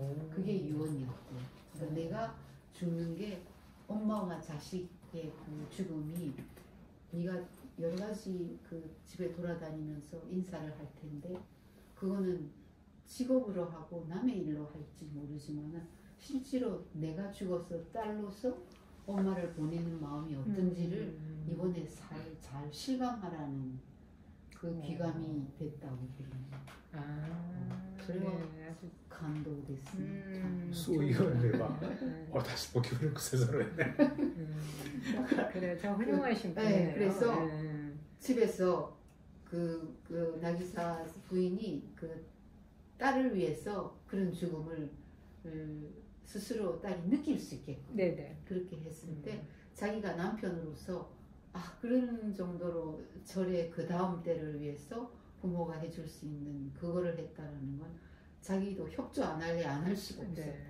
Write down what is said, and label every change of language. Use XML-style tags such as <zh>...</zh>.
<ko>그게 유언이었대. 그러니까 내가 죽는 게 엄마와 자식의 그 죽음이 네가 여러 가지 그 집에 돌아다니면서 인사를 할 텐데 그거는 직업으로 하고 남의 일로 할지 모르지만 실제로 내가 죽어서 딸로서 엄마를 보내는 마음이 어떤지를 이번에 잘 실감하라는 그 귀감이 됐다고 그래요. 아주 감동됐습니다. 소위원회가</ko> <ja>私も協力せざるをえない</ja> <ko>그래요. 참 훌륭하신 분이에요. 그래서 집에서 그 나기사 부인이 그 딸을 위해서 그런 죽음을 스스로 딸이 느낄 수 있게끔 네네. 그렇게 했을 때 자기가 남편으로서 아 그런 정도로 절의 그 다음 때를 위해서 부모가 해줄 수 있는 그거를 했다라는 건 자기도 협조 안 할래 안 할 수가 없었다.</ko>